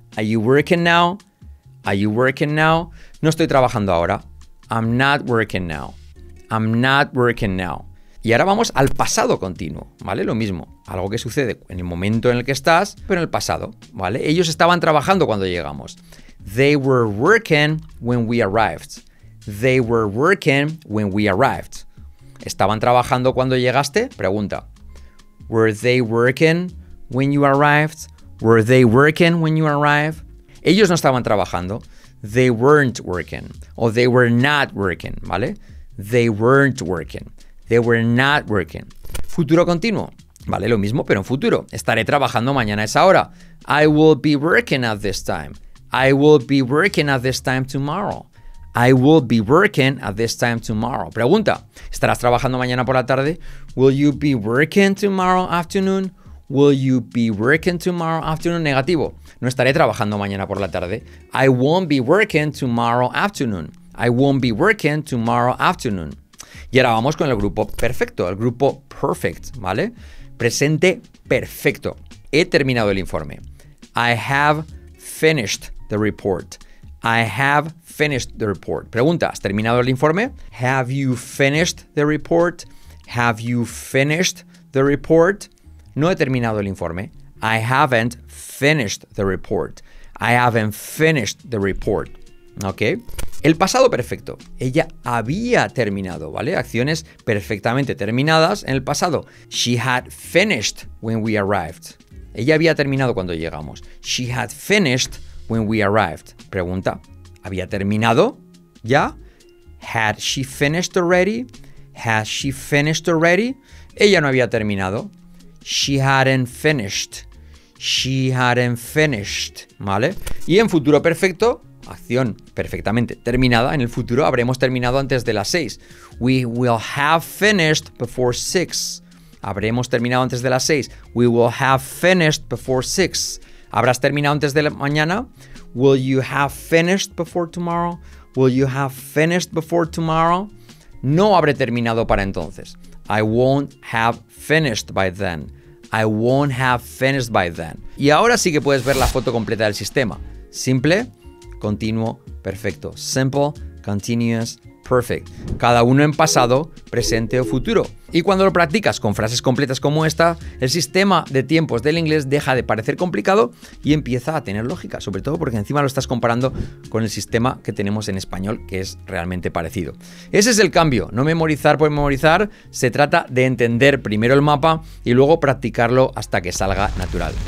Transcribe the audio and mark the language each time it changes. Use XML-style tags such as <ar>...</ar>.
<en>Are you working now? Are you working now?</en> <es>No estoy trabajando ahora.</es> <en>I'm not working now. I'm not working now.</en> <es>Y ahora vamos al pasado continuo, ¿vale? Lo mismo, algo que sucede en el momento en el que estás, pero en el pasado, ¿vale? Ellos estaban trabajando cuando llegamos.</es> <en>They were working when we arrived. They were working when we arrived.</en> <es>¿Estaban trabajando cuando llegaste? Pregunta.</es> <en>Were they working when you arrived? Were they working when you arrived?</en> <es>Ellos no estaban trabajando.</es> <en>They weren't working. O they were not working, ¿vale? They weren't working. They were not working.</en> <es>Futuro continuo. Vale, lo mismo, pero en futuro. Estaré trabajando mañana a esa hora.</es> <en>I will be working at this time. I will be working at this time tomorrow. I will be working at this time tomorrow.</en> <es>Pregunta. ¿Estarás trabajando mañana por la tarde?</es> <en>Will you be working tomorrow afternoon? Will you be working tomorrow afternoon?</en> <es>Negativo. No estaré trabajando mañana por la tarde.</es> <en>I won't be working tomorrow afternoon. I won't be working tomorrow afternoon.</en> <es>Y ahora vamos con el grupo perfecto, el grupo perfect, ¿vale? Presente perfecto. He terminado el informe.</es> <en>I have finished the report. I have finished the report.</en> <es>Pregunta, ¿has terminado el informe?</es> <en>Have you finished the report? Have you finished the report?</en> <es>No he terminado el informe.</es> <en>I haven't finished the report. I haven't finished the report.</en> <es>¿Ok? El pasado perfecto. Ella había terminado, ¿vale? Acciones perfectamente terminadas en el pasado.</es> <en>She had finished when we arrived.</en> <es>Ella había terminado cuando llegamos.</es> <en>She had finished when we arrived. Pregunta.</en> <es>¿Había terminado ya?</es> <en>Had she finished already? Has she finished already?</en> <es>Ella no había terminado.</es> <en>She hadn't finished. She hadn't finished.</en> <es>¿Vale? Y en futuro perfecto, acción perfectamente terminada. En el futuro habremos terminado antes de las 6.</es> <en>We will have finished before 6.</en> <es>Habremos terminado antes de las 6.</es> <en>We will have finished before 6.</en> <es>¿Habrás terminado antes de la mañana?</es> <en>Will you have finished before tomorrow? Will you have finished before tomorrow?</en> <es>No habré terminado para entonces.</es> <en>I won't have finished by then. I won't have finished by then.</en> <es>Y ahora sí que puedes ver la foto completa del sistema. Simple, continuo, perfecto.</es> <en>Simple, continuous, perfect.</en> <es>Cada uno en pasado, presente o futuro. Y cuando lo practicas con frases completas como esta, el sistema de tiempos del inglés deja de parecer complicado y empieza a tener lógica, sobre todo porque encima lo estás comparando con el sistema que tenemos en español, que es realmente parecido. Ese es el cambio, no memorizar por memorizar, se trata de entender primero el mapa y luego practicarlo hasta que salga natural.</es>